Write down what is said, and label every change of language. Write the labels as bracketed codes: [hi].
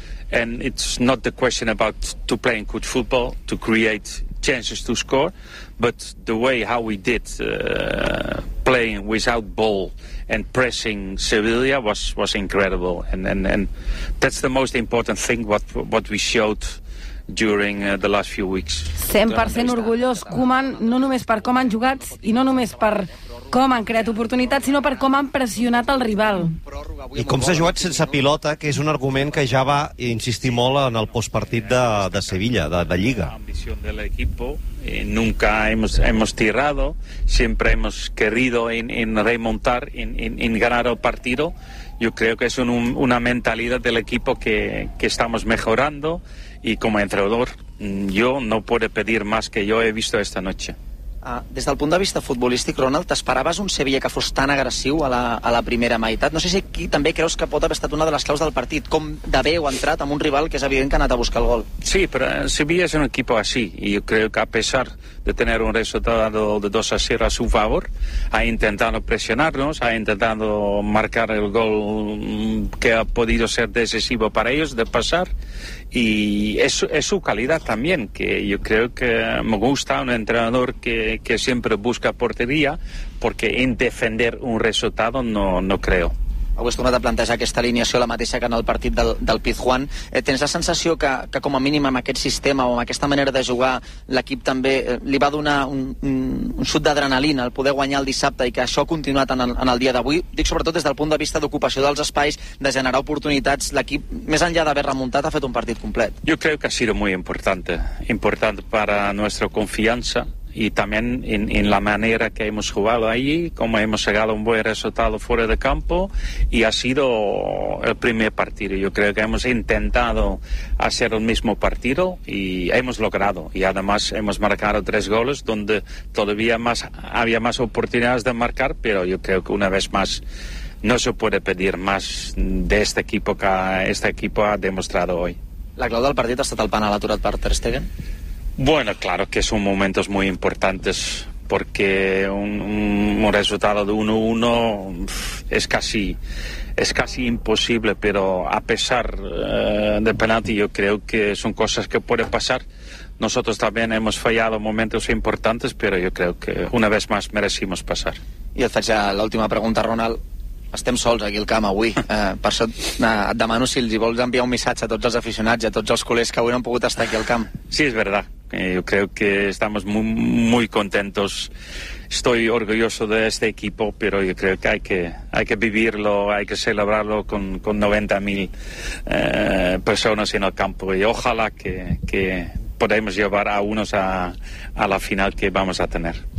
[en] And it's not the question about to play in good football, to create chances to score, but the way how we did playing without ball and pressing Sevilla was incredible, and that's the most important thing what we showed during the last few weeks. [ca] 100% orgullós, Koeman, no només per com han jugat i no només per com han creat oportunitats, sinó per com han pressionat el rival. I com s'ha jugat sense pilota, que és un argument que ja va insistir molt en el postpartit de Sevilla, de Lliga. [es] Ambición del equipo, nunca hemos tirado, siempre hemos querido en remontar, en ganar el partido. Yo creo que es una mentalidad del equipo que estamos mejorando, y como entrenador, yo no puedo pedir más que yo he visto esta noche. [ca] Des del punt de vista futbolístic, Ronald, t'esperaves un Sevilla que fos tan agressiu a la primera meitat? No sé si aquí també creus que pot haver estat una de les claus del partit, com d'haver o entrat amb un rival que és evident que ha anat a buscar el gol. Sí, però Sevilla és un equip així, i jo crec que a pesar de tenir un resultat de 2-0 a su favor, ha intentat pressionar-nos, ha intentat marcar el gol [es] que ha podido ser decisivo para ellos de pasar, y es su calidad también, que yo creo que me gusta un entrenador que siempre busca portería, porque en defender un resultado no creo. [ca] Avui has tornat a plantejar aquesta alineació, la mateixa que en el partit del Pizjuán. Tens la sensació que com a mínim amb aquest sistema o amb aquesta manera de jugar l'equip també li va donar un xut d'adrenalina al poder guanyar el dissabte, i que això ha continuat en el dia d'avui? Dic sobretot des del punt de vista d'ocupació dels espais, de generar oportunitats. L'equip, més enllà d'haver remuntat, ha fet un partit complet. Jo crec que [es] ha sido muy importante para nuestra confianza, y también en la manera que hemos jugado allí, como hemos llegado a un buen resultado fuera de campo, y ha sido el primer partido. Yo creo que hemos intentado hacer el mismo partido y hemos logrado, y además hemos marcado 3 goles donde todavía había más oportunidades de marcar, pero yo creo que una vez más no se puede pedir más de este equipo que este equipo ha demostrado hoy. [ca] La clau del partit ha estat el penal aturat per Ter Stegen? [es] Bueno, claro que son momentos muy importantes, porque un resultado de 1-1 es casi imposible, pero a pesar del penalti, yo creo que son cosas que pueden pasar. Nosotros también hemos fallado momentos importantes, pero yo creo que una vez más merecimos pasar. [ca] I et faig ja l'última pregunta, Ronald. Estem sols aquí al camp avui. Per això et demano si els vols enviar un missatge a tots els aficionats i a tots els culers que avui no han pogut estar aquí al camp. [es] Sí, és verdad. Yo creo que estamos muy, muy contentos. Estoy orgulloso de este equipo, pero yo creo que hay que vivirlo, hay que celebrarlo con 90.000 personas en el campo. Y ojalá que podamos llevar a unos a la final que vamos a tener.